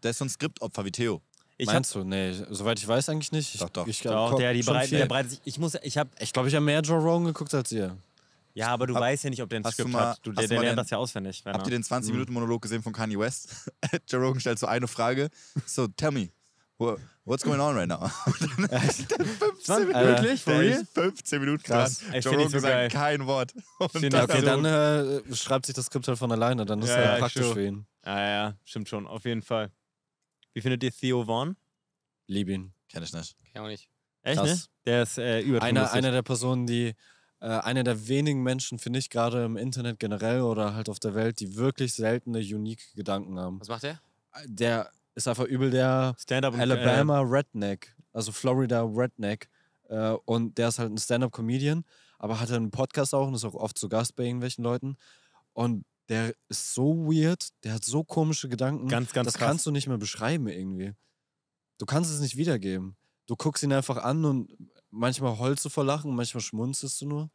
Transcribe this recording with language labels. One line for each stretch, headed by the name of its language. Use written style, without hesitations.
German: Der ist so ein Skriptopfer wie Theo. Meinst du? Nee, soweit ich weiß eigentlich nicht. Ich glaube, ich habe mehr Joe Rogan geguckt als ihr. Ja, aber du weißt ja nicht, ob der ein Skript hat. Der lernt das ja auswendig. Habt ihr den 20-Minuten-Monolog gesehen von Kanye West? Joe Rogan stellt so eine Frage.
English: So, tell me, what's going on right now?
German: 15 Minuten, krass. Joe Rogan sagt kein Wort. Okay, dann schreibt sich das Skript halt von alleine. Dann ist er ja praktisch für ihn. Ja, stimmt schon, auf jeden Fall. Wie findet ihr Theo Vaughn? Lieb ihn. Kenn ich nicht. Kenn auch nicht. Echt, krass. Ne? Der ist übertrieben. Einer der Personen, die, einer der wenigen Menschen, finde ich, gerade im Internet generell oder halt auf der Welt, die wirklich seltene, unique Gedanken haben. Was macht der? Der ist einfach übel der Stand-up Alabama Redneck, also Florida Redneck. Und der ist halt ein Stand-up-Comedian, aber hat einen Podcast auch und ist auch oft zu Gast bei irgendwelchen Leuten. Und der ist so weird, der hat so komische Gedanken. Ganz, ganz das krass. Kannst du nicht mehr beschreiben irgendwie. Du kannst es nicht wiedergeben. Du guckst ihn einfach an und manchmal heulst du vor Lachen, manchmal schmunzelst du nur.